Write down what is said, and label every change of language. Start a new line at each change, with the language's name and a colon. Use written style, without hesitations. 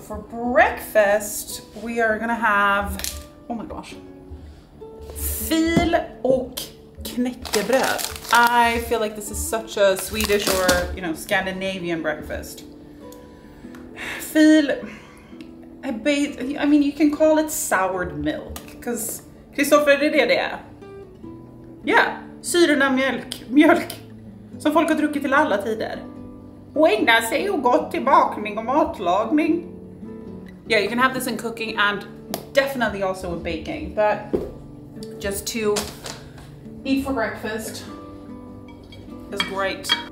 English: breakfast, we are gonna have, oh my gosh,
Swedish: fil och knäckebröd.
English: I feel like this is such a Swedish or, you know, Scandinavian breakfast. Fil, I mean, you can call it soured milk, because Kristoffer,
Swedish: det är det det är. Yeah, syrna mjölk, mjölk, som folk har druckit till alla tider. Och ägna sig och gott till bakning och matlagning.
English: Yeah, you can have this in cooking and definitely also in baking, but just to eat for breakfast is great.